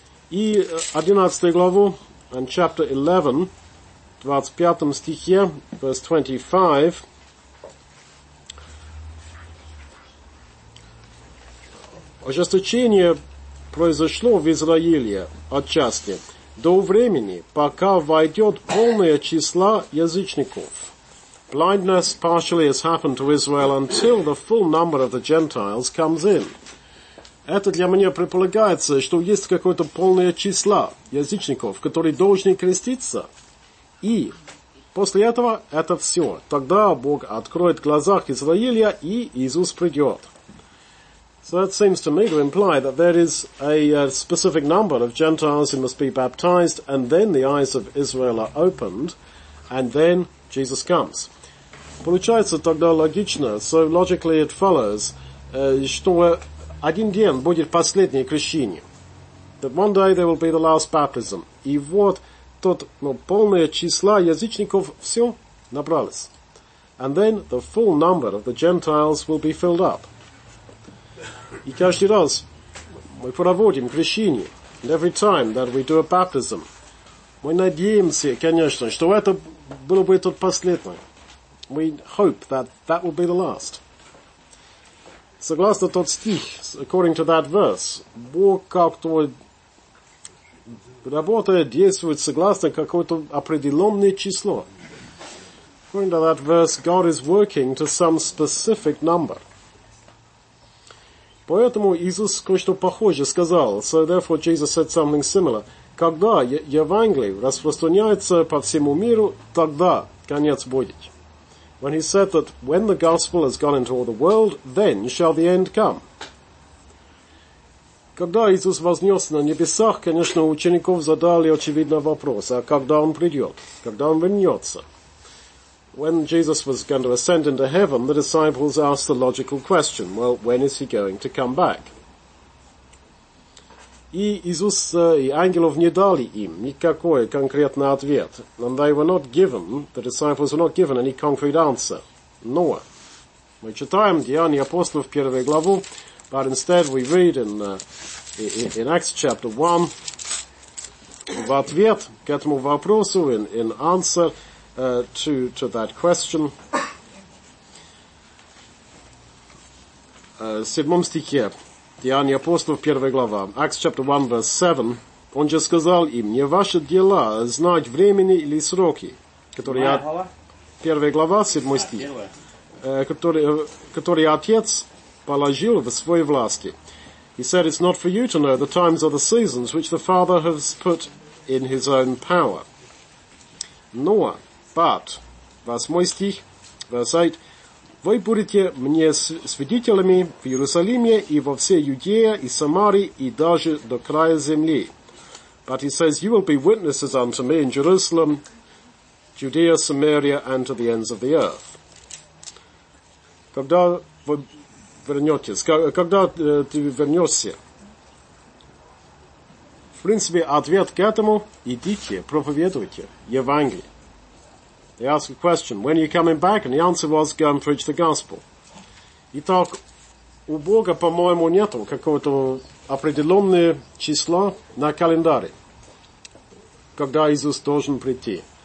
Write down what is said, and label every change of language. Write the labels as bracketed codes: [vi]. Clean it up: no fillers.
[ru] И 11 главу, [en] and chapter 11, [ru] 25 стихе, [en] verse 25, [ru] ожесточение произошло в Израиле отчасти до времени, пока войдет полное число язычников. [en] Blindness partially has happened to Israel until the full number of the Gentiles comes in. [ru] Это для меня предполагается, что есть какое-то полное число язычников, которые должны креститься. И после этого это все. Тогда Бог откроет глаза Израиля, и Иисус придет. [en] So that seems to me to imply that there is a specific number of Gentiles who must be baptized, and then the eyes of Israel are opened, and then Jesus comes. [ru] Получается тогда логично, [en] so logically it follows, [ru] что один день будет последнее крещение, [en] that one day there will be the last baptism. [ru] И вот тот, ну, полное число язычников, все, набрались. [en] And then the full number of the Gentiles will be filled up. [ru] И каждый раз мы проводим крещение. [en] And every time that we do a baptism, [ru] мы надеемся, конечно, что это было бы тот последний. [en] We hope that that will be the last. [ru] Согласно тот стих, [en] according to that verse, [ru] Бог как-то работает, действует согласно какое-то определенное число. [en] According to that verse, God is working to some specific number. [ru] Поэтому Иисус кое-что похожее сказал. [en] So therefore Jesus said something similar. [ru] Когда Евангелие распространяется по всему миру, тогда конец будет. [en] When he said that when the gospel has gone into all the world, then shall the end come. [ru] Когда Иисус вознесся на небесах, конечно, учеников задали очевидно вопрос, а когда он придет? Когда он вернется? [en] When Jesus was going to ascend into heaven, the disciples asked the logical question, well, when is he going to come back? [ru] И Иисус и ангелов не дали им никакой конкретный ответ. [en] And they were not given, the disciples were not given any concrete answer. [ru] Но мы читаем Деяния апостолов, первую главу, [en] but instead we read in Acts chapter 1, [ru] в ответ к этому вопросу, [en] in answer to that question, [ru] в седьмом стихе, Деяния апостолов, первая глава, [en] Acts chapter 1, verse 7, [ru] он же сказал им, не ваши дела знать времени или сроки, которые... Первая глава, седьмой стих, который Отец положил в своей власти. [en] He said, it's not for you to know the times or the seasons which the Father has put in his own power. [ru] Но, but, восьмой стих, [en] verse 8, [ru] вы будете мне свидетелями в Иерусалиме и во всей Иудее и Самарии и даже до края земли. [en] But he says, you will be witnesses unto me in Jerusalem, Judea, Samaria, and to the ends of the earth. [ru] Когда вы вернетесь? Когда ты вернешься? В принципе, ответ к этому – идите, проповедуйте Евангелие. [en] They ask a question, when are you coming back? And the answer was, go and preach the gospel. [ru] Итак, у Бога, по-моему, нету какого-то определенного числа на календаре, когда Иисус должен прийти.